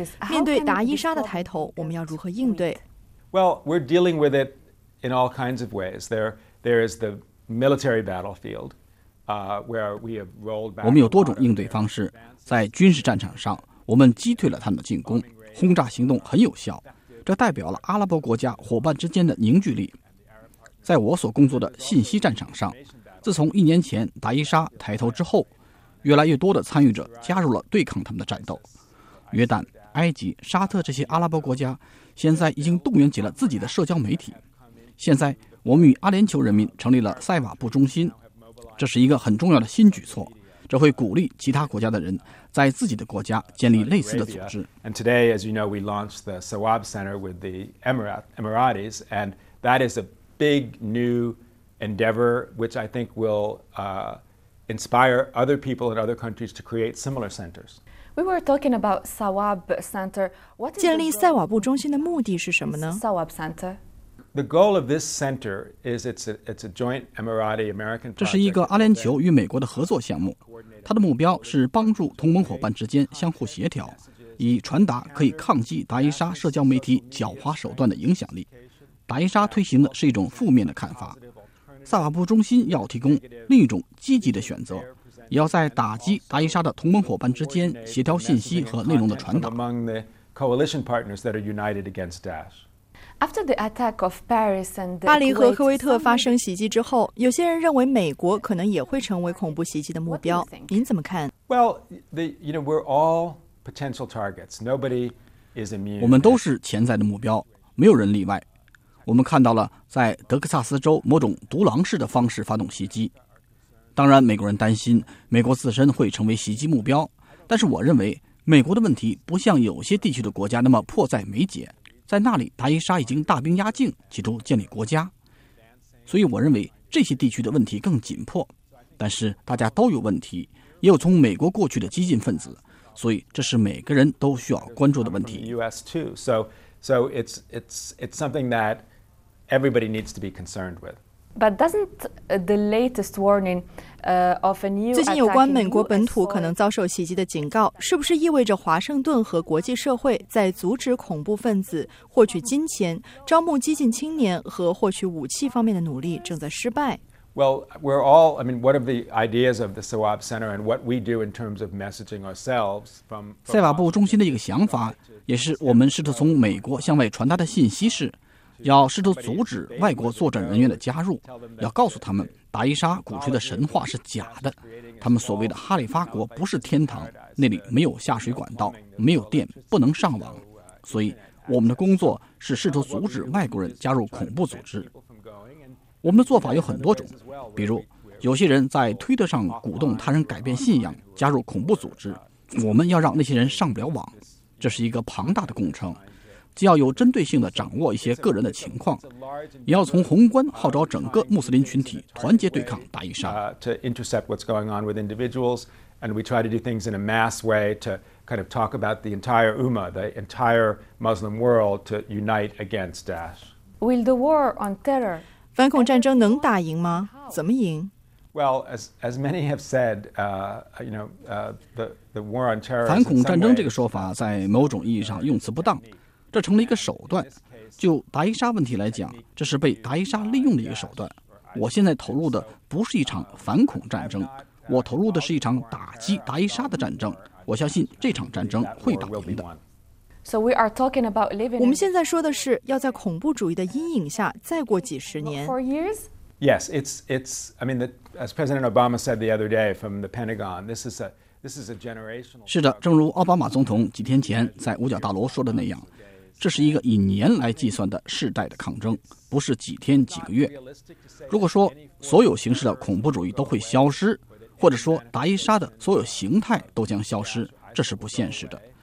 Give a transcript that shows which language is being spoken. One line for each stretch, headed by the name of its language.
Chinese: 面对达伊沙的抬头，我们要如何应对？
English: Well, we're dealing with it in all kinds of ways. There is the military battlefield where we have rolled back.
Chinese: 我们有多种应对方式。在军事战场上，我们击退了他们的进攻，轰炸行动很有效，这代表了阿拉伯国家伙伴之间的凝聚力。在我所工作的信息战场上，自从一年前达伊沙抬头之后，越来越多的参与者加入了对抗他们的战斗。约旦、埃及、沙特这些阿拉伯国家现在已经动员起了自己的社交媒体。现在我们与阿联酋人民成立了塞瓦布中心，这是一个很重要的新举措，这会鼓励其他国家的人在自己的国家建立类似的组织。
English: And today, as you know, we launched the Sawab Center with the Emiratis, and that is a big new endeavor, which I think will inspire other people in other countries to create similar centers. We were talking about Sawab Center. What
Chinese: 建立塞瓦布中心的目的是什么呢
English: ？Sawab Center. The goal of this center is it's a joint Emirati American project.
Chinese: 这是一个阿联酋与美国的合作项目。它的目标是帮助同盟伙伴之间相互协调，以传达可以抗击达伊沙社交媒体狡猾手段的影响力。达伊沙推行的是一种负面的看法，萨瓦布中心要提供另一种积极的选择，也要在打击达伊沙的同盟伙伴之间协调信息和内容的传达。
English: Among the coalition partners that are united against Daesh. After the attack of Paris and the
Chinese: 巴黎和科威特发生袭击之后，有些人认为美国可能也会成为恐怖袭击的目标。您怎么看
English: ？Well, you know, we're all potential targets. Nobody is immune.
Chinese: 我们都是潜在的目标，没有人例外。我们看到了在德克萨斯州某种独狼式的方式发动袭击。当然，美国人担心美国自身会成为袭击目标，但是我认为美国的问题不像有些地区的国家那么迫在眉睫。在那里，达伊沙已经大兵压境，企图建立国家，所以我认为这些地区的问题更紧迫。但是大家都有问题，也有从美国过去的激进分子，所以这是每个人都需要关注的问题。
English: U.S. too, so it's something that everybody needs to be concerned with. But doesn't the latest warning of a new
Chinese: 最近有关美国本土可能遭受袭击的警告，是不是意味着华盛顿和国际社会在阻止恐怖分子获取金钱、招募激进青年和获取武器方面的努力正在失败
English: ？Well, we're all. I mean, what are the ideas of the Sawab Center and what we do in terms of messaging ourselves from
Chinese: 塞瓦布中心的一个想法，也是我们试图从美国向外传达的信息是，要试图阻止外国作战人员的加入，要告诉他们。达伊沙鼓吹的神话是假的，他们所谓的哈里发国不是天堂，那里没有下水管道，没有电，不能上网。所以我们的工作是试图阻止外国人加入恐怖组织。我们的做法有很多种，比如有些人在推特上鼓动他人改变信仰加入恐怖组织，我们要让那些人上不了网，这是一个庞大的工程，既要有针对性地掌握一些个人的情况，也要从宏观号召整个穆斯林群体团结对抗达伊沙。
English: To intercept what's going on with individuals, and we try to do things in a mass way to kind of talk about the entire Ummah, the entire Muslim world, to unite against Daesh. Will the war on terror?
Chinese: 反恐战争能打赢吗？怎么赢？
English: Well, as many have said, you know, the war on terror.
Chinese: 反恐战争这个说法在某种意义上用词不当。这成了一个手段，就达伊沙问题来讲，这是被达伊沙利用的一个手段。我现在投入的不是一场反恐战争，我投入的是一场打击达伊沙的战争。我相信这场战争会打赢的。
English: So we are talking about living.
Chinese: 我们现在说的是要在恐怖主义的阴影下再过几十年。
English: Four years? Yes, it's. I mean, as President Obama said the other day from the Pentagon, this is a generational.
Chinese: 是的，正如奥巴马总统几天前在五角大楼说的那样。这是一个以年来计算的世代的抗争，不是几天几个月。如果说所有形式的恐怖主义都会消失，或者说达伊沙的所有形态都将消失，这是不现实的。